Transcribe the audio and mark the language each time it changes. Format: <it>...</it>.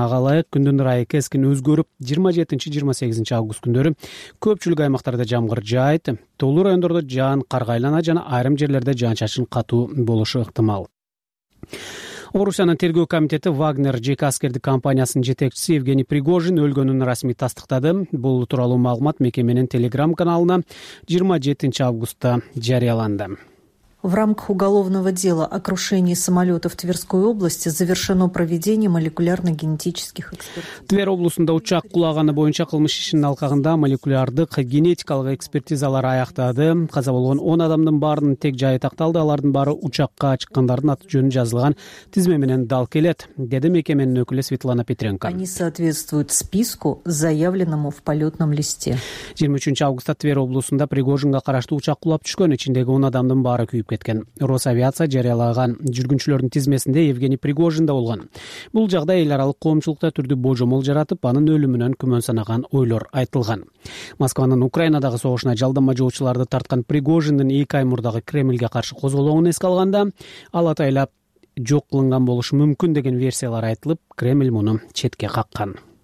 <ky>Ага ылайык, күндүн ырайы кескин өзгөрүп, 27-28 август күндөрү көпчүлүк аймактарда жамгыр жаайт, тоолуу райондордо жаан карга айлана жана айрым жерлерде жаан чачын катуу болушу ыктымал. Орусиянын тергөө комитети Вагнер жеке аскердик компаниясынын жетекчиси Евгений Пригожин өлгөнүн расмий тастыктады. Бул тууралуу маалымат мекеменин телеграм каналына 27 августта жарыяланды.</ky> <ru>В рамках уголовного дела о крушении самолета в Тверской области завершено проведение молекулярно-генетических экспертиз.</ru> <ky>Твер облусунда учак кулаганы боюнча кылмыш ишинин алкагында молекулярдык генетикалык экспертизалар аяктады. Каза болгон 10 адамдын баарынын тек жайы такталды. Алардын баары учакка чыккандардын аты жөнү жазылган тизме менен дал келет, деди мекеменин өкүлү Светлана Петренко.</ky> <ru>Они соответствуют списку, заявленному в полетном листе.</ru> <ky>23 августта Твер облусунда Пригожинга караштуу учак кулап түшкөн, ичиндеги 10 адамдын баары күйүп кеткен. Росавиация жарыялаган жүргүнчүлөрдүн тизмесинде Евгений Пригожин да болгон. Бул жагдай эл аралык коомчулукта түрдүү божомол жаратып, анын өлүмүнөн күмөн санаган ойлор айтылган. Москванын Украинадагы согушуна жалдама жоочуларды тарткан Пригожиндин 2 ай мурдагы Кремльге каршы козголоонун эске алганда, ал атайлап жок кылынган болушу мүмкүн деген версиялар айтылып, Кремль муну четке каккан.</ky>